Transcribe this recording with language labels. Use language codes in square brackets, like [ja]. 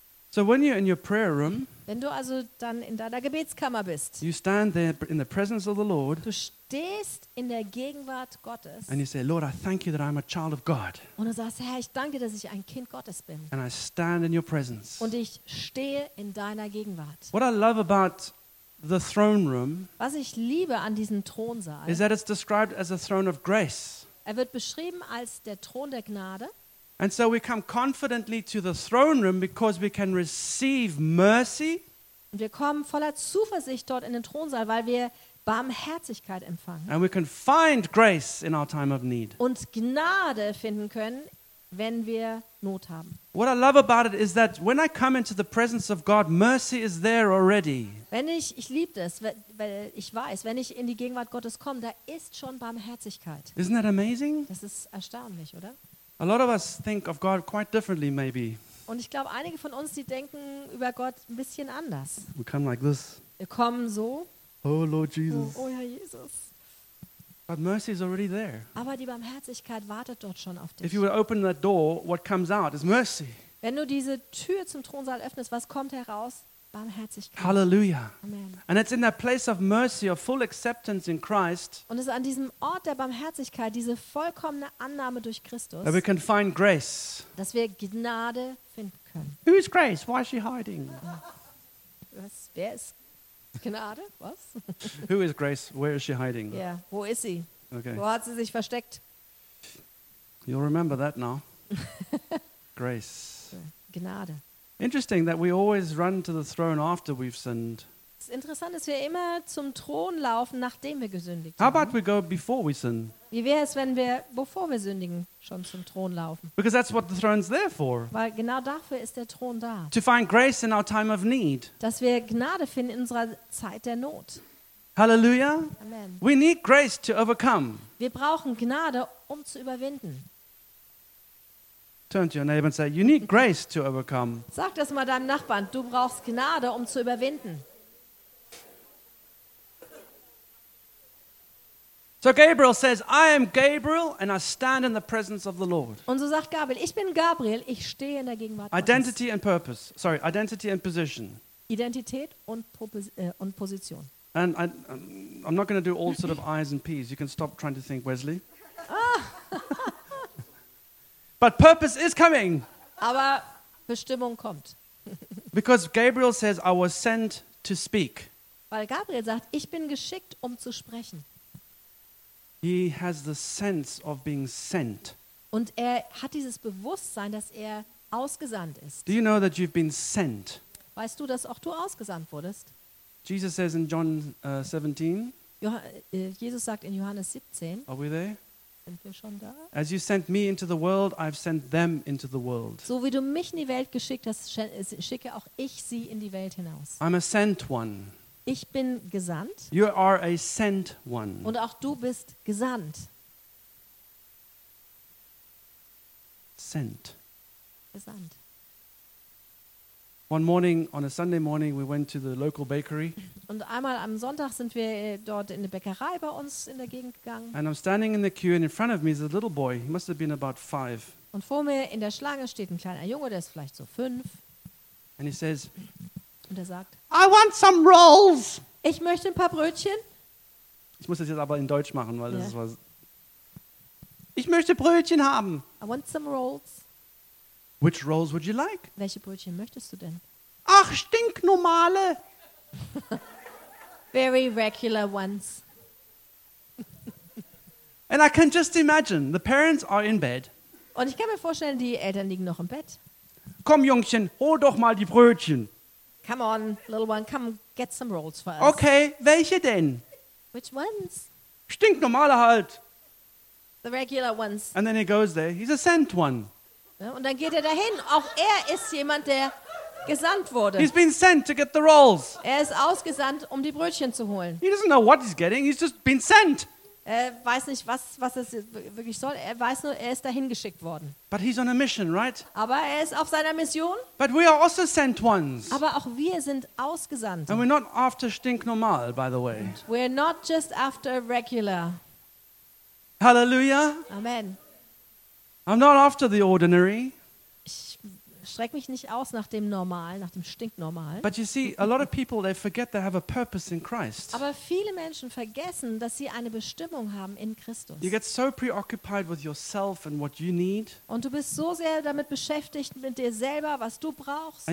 [en] So when you're in your prayer room, [de] wenn du also dann in deiner Gebetskammer bist, [en] you stand there in the presence of the Lord, [de] du stehst in der Gegenwart Gottes, [en] and you say, Lord, I thank you that I'm a child of God. [de] Und du sagst, Herr, ich danke dir, dass ich ein Kind Gottes bin. [en] And I stand in your presence. [de] Und ich stehe in deiner Gegenwart. [en] What I love about the throne room, [de] was ich liebe an diesem Thronsaal, [en] is that it's described as a throne of grace. [de] Er wird beschrieben als der Thron der Gnade. [en] And so we come confidently to the throne room because we can receive mercy. [de] Und wir kommen voller Zuversicht dort in den Thronsaal, weil wir Barmherzigkeit empfangen. [en] And we can find grace in our time of need. [de] Und Gnade finden können, wenn wir Not haben. [en] What I love about it is that when I come into the presence of God, mercy is there already. [de] Ich liebe das, weil ich weiß, wenn ich in die Gegenwart Gottes komme, da ist schon Barmherzigkeit. [en] Isn't that amazing? [de] Das ist erstaunlich, oder? [en] A lot of us think of God quite differently, maybe. [de] Und ich glaube, einige von uns, die denken über Gott ein bisschen anders. [en] We come like this. [de] Wir kommen so. [en] Oh Lord Jesus. [de] Oh, Herr Jesus. [en] But mercy is already there. [de] Aber die Barmherzigkeit wartet dort schon auf dich. [en] If you would open that door, what comes out is mercy. [de] Wenn du diese Tür zum Thronsaal öffnest, was kommt heraus? Barmherzigkeit. Hallelujah. Amen. [en] And it's in that place of mercy, of full acceptance in Christ. [de] Und es ist an diesem Ort der Barmherzigkeit, diese vollkommene Annahme durch Christus. [en] That we can find grace. [de] Dass wir Gnade finden können. [en] Who is Grace? Why is she hiding? [de] Was? Wer ist Gnade? Was? [en] Who is Grace? Where is she hiding? [de] Ja, yeah. Wo ist sie? Okay. Wo hat sie sich versteckt? [en] You'll remember that now. Grace. [de] Gnade. [en] Interesting that we always run to the throne after we've sinned. [de] Es ist interessant, dass wir immer zum Thron laufen, nachdem wir gesündigt haben. [en] How about we go before we sin? [de] Wie wäre es, wenn wir, bevor wir sündigen, schon zum Thron laufen? [en] Because that's what the throne's there for. [de] Weil genau dafür ist der Thron da. [en] To find grace in our time of need. [de] Dass wir Gnade finden in unserer Zeit der Not. Hallelujah. Amen. [en] We need grace to overcome. [de] Wir brauchen Gnade, um zu überwinden. [en] Turn to your neighbor and say, you need grace to overcome. [de] Sag das mal deinem Nachbarn, du brauchst Gnade, um zu überwinden. [en] So Gabriel says, I am Gabriel and I stand in the presence of the Lord. [de] Und so sagt Gabriel, ich bin Gabriel, ich stehe in der Gegenwart Gottes. [en] Identity and purpose. Sorry, identity and position. [de] Identität und Position. [en] And I'm not going to do all sort of I's and P's. You can stop trying to think Wesley. But purpose is coming. [de] Aber Bestimmung kommt. [en] Because Gabriel says, I was sent to speak. [de] Weil Gabriel sagt, ich bin geschickt, um zu sprechen. [en] He has the sense of being sent. [de] Und er hat dieses Bewusstsein, dass er ausgesandt ist. [en] Do you know that you've been sent? [de] Weißt du, dass auch du ausgesandt wurdest? [en] Jesus says in John 17. [de] Jesus sagt in Johannes 17. [en] Are we there? [de] Sind wir schon da? [en] As you sent me into the world, I've sent them into the world. [de] So wie du mich in die Welt geschickt hast, schicke auch ich sie in die Welt hinaus. [en] I'm a sent one. [de] Ich bin gesandt. [en] You are a sent one. [de] Und auch du bist gesandt. [en] Sent. [de] Gesandt. [en] One morning on a Sunday morning we went to the local bakery. [de] Und einmal am Sonntag sind wir dort in eine Bäckerei bei uns in der Gegend gegangen. [en] And I'm standing in the queue and in front of me is a little boy. He must have been about 5. [de] Und vor mir in der Schlange steht ein kleiner Junge, der ist vielleicht so 5. [en] And he says, [de] und er sagt, [en] I want some rolls. [de] Ich möchte ein paar Brötchen. Ich muss das jetzt aber in Deutsch machen, weil das war. Ich möchte Brötchen haben. [en] I want some rolls. Which rolls would you like? [de] Welche Brötchen möchtest du denn? Ach, stinknormale. [en] Very regular ones. And I can just imagine the parents are in bed. [de] Und ich kann mir vorstellen, die Eltern liegen noch im Bett. Komm, Jungchen, hol doch mal die Brötchen. [en] Come on, little one, come get some rolls for us. [de] Okay, welche denn? [en] Which ones? [de] Stinknormale halt. [en] The regular ones. And then he goes there. He's a sent one. [de] Ja, und dann geht er dahin. Auch er ist jemand, der gesandt wurde. [en] He's been sent to get the rolls. [de] Er ist ausgesandt, um die Brötchen zu holen. [en] He doesn't know what he's getting. He's just been sent. [de] Er weiß nicht, was es wirklich soll. Er weiß nur, er ist dahin geschickt worden. [en] But he's on a mission, right? [de] Aber er ist auf seiner Mission. [en] But we are also sent ones. [de] Aber auch wir sind ausgesandt. [en] And we're not after stinknormal, by the way. And we're not just after regular. Hallelujah. Amen. I'm not after the ordinary. [de] Ich strecke mich nicht aus nach dem Normal, nach dem Stinknormal. [en] But you see, a lot of people they forget they have a purpose in Christ. [de] Aber viele Menschen vergessen, dass sie eine Bestimmung haben in Christus. [en] You get so preoccupied with yourself and what you need. [de] Und du bist so sehr damit beschäftigt mit dir selber, was du brauchst.